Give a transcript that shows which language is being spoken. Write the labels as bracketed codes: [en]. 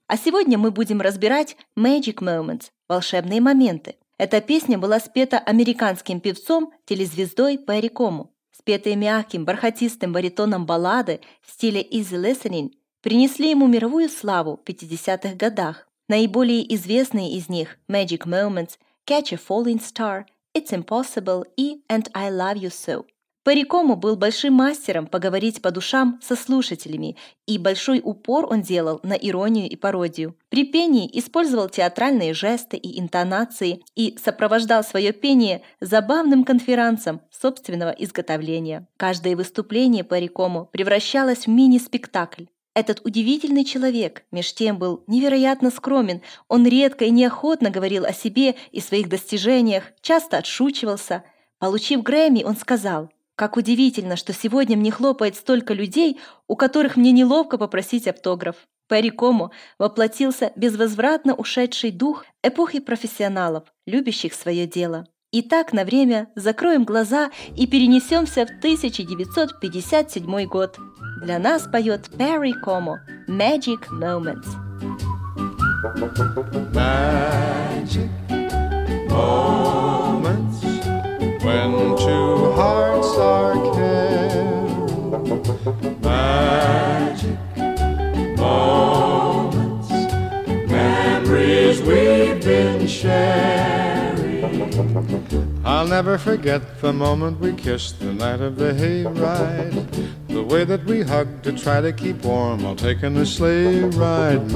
[ru] А сегодня мы будем разбирать Magic Moments – волшебные моменты. Эта песня была спета американским певцом, телезвездой Перри Кому. Спетые мягким, бархатистым баритоном баллады в стиле easy listening принесли ему мировую славу в 50-х годах. Наиболее известные из них – Magic Moments, Catch a Falling Star, It's Impossible и And I Love You So. Перри Кому был большим мастером поговорить по душам со слушателями, и большой упор он делал на иронию и пародию. При пении использовал театральные жесты и интонации и сопровождал свое пение забавным конферансом собственного изготовления. Каждое выступление Перри Кому превращалось в мини-спектакль. Этот удивительный человек, меж тем, был невероятно скромен. Он редко и неохотно говорил о себе и своих достижениях, часто отшучивался. Получив Грэмми, он сказал: «Как удивительно, что сегодня мне хлопает столько людей, у которых мне неловко попросить автограф». Перри Кому воплотился безвозвратно ушедший дух эпохи профессионалов, любящих свое дело. Итак, на время закроем глаза и перенесемся в 1957 год. Для нас поет Перри Кому «Magic Moments». [en] Magic Moments When two hearts are kept Magic moments Memories we've been sharing I'll never forget the moment we kissed The night of the hayride The way that we hugged to try to keep warm While taking a sleigh ride